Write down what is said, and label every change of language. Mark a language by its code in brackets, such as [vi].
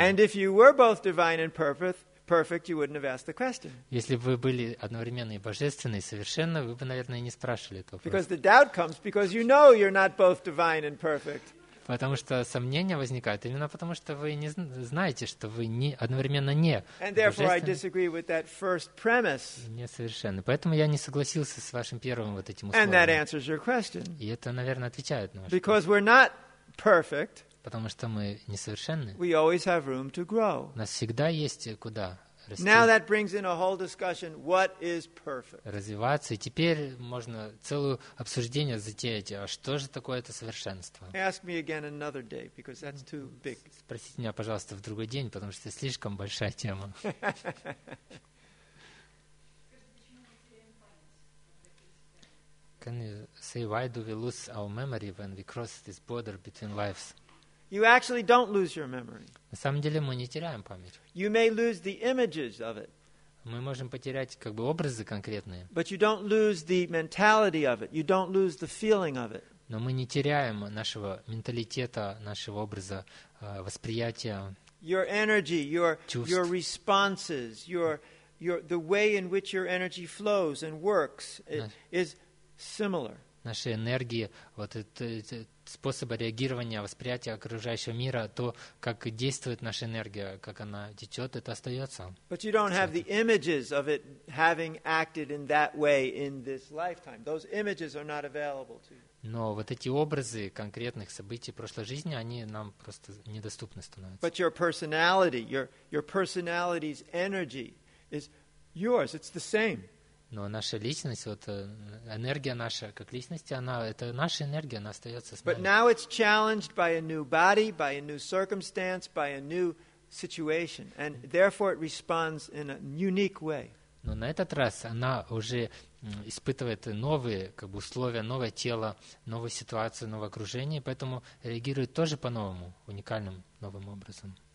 [en] And if you were both divine and perfect, you wouldn't have asked the question. [ru] Если бы вы были одновременно и божественны, и совершенны, вы бы, наверное, и не спрашивали этого. [en] Because the doubt comes because you know you're not both divine and perfect. [ru] Потому что сомнения возникают именно потому, что вы не знаете, что вы не одновременно не божественны. Поэтому я не согласился с вашим первым вот этим условием. [en] And that answers your question. [ru] И это, наверное, отвечает на ваш [en] because We're not perfect. [ru] Потому что мы несовершенны. [en] We always have room to grow. [ru] У нас всегда есть куда расти. [en] Now that brings in a whole discussion, what is perfect? [ru] Развиваться. И теперь можно целое обсуждение затеять. А что же такое это совершенство? [en] Ask me again another day, because that's too big. [ru] Спросите меня, пожалуйста, в другой день, потому что это слишком большая тема. [en] Can you say why do we lose our memory when we cross this border between lives? You actually don't lose your memory. [ru] На самом деле мы не теряем память. [en] You may lose the images of it. [ru] Мы можем потерять как бы образы конкретные. [en] But you don't lose the mentality of it. You don't lose the feeling of it. [ru] Но мы не теряем нашего менталитета, нашего образа восприятия. [en] Your energy, your responses, your the way in which your energy flows and works is similar. [ru] Наши энергии, вот это способы реагирования, восприятия окружающего мира, то, как действует наша энергия, как она течет, это остается. [en] But you don't have the images of it having acted in that way in this lifetime. Those images are not available to you. [ru] Но вот эти образы конкретных событий прошлой жизни, они нам просто недоступны становятся. [en] But your personality, your personality's energy is yours. It's the same. [ru] Но наша личность, вот энергия наша как личности, она это наша энергия, она остается с нами. [en] But now it's challenged by a new body, by a new circumstance, by a new situation, and therefore it responds in a unique way. [ru] Но на этот раз она уже испытывает новые как бы условия, новое тело, новую ситуацию, новое окружение, поэтому реагирует тоже по-новому, уникальным новым образом.